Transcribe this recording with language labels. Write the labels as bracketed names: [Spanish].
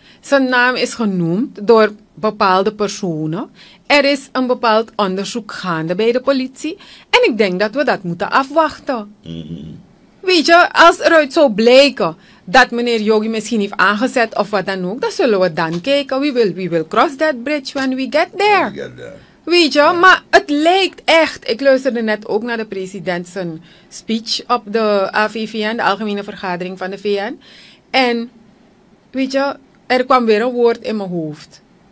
[Dutch] Zijn naam is genoemd door bepaalde personen. Er is een bepaald onderzoek gaande bij de politie. En ik denk dat we dat moeten afwachten. Weet je, als eruit zou blijken dat meneer Yogi misschien heeft aangezet of wat dan ook, dan zullen we dan kijken. [English] We will cross that bridge when we get there. [Dutch] Weet je, maar het lijkt echt, ik luisterde net ook naar de president zijn speech op de AVVN, de Algemene Vergadering van de VN. En weet je, er kwam weer een woord in mijn hoofd.